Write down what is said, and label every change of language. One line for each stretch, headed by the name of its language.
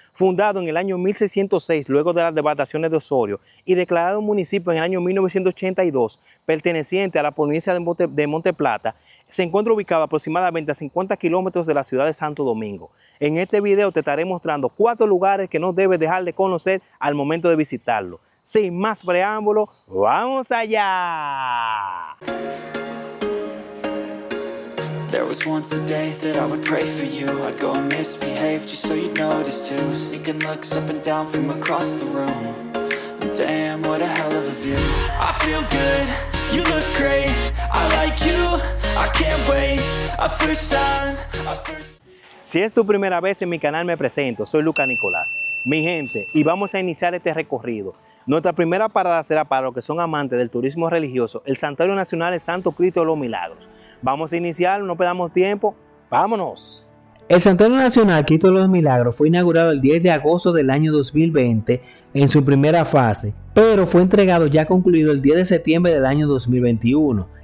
Spanish: Fundado en el año 1606 luego de las devastaciones de Osorio y declarado municipio en el año 1982, perteneciente a la provincia de Monte Plata, se encuentra ubicado aproximadamente a 50 kilómetros de la ciudad de Santo Domingo. En este video te estaré mostrando cuatro lugares que no debes dejar de conocer al momento de visitarlo. Sin más preámbulo, ¡vamos allá!
English: There was once a day that I would pray for you. I'd go and misbehave just so you'd notice too. Sneaking looks up and down from across the room. Damn, what a hell of a view. I feel good, you look great. I like you, I can't wait. A first time, a first.
Spanish: Si es tu primera vez en mi canal, me presento, soy Luca Nicolás. Mi gente, y vamos a iniciar este recorrido. Nuestra primera parada será para los que son amantes del turismo religioso, el Santuario Nacional de Santo Cristo de los Milagros. Vamos a iniciar, no perdamos tiempo, ¡vámonos! El Santuario Nacional Cristo de los Milagros fue inaugurado el 10 de agosto del año 2020 en su primera fase, pero fue entregado ya concluido el 10 de septiembre del año 2021.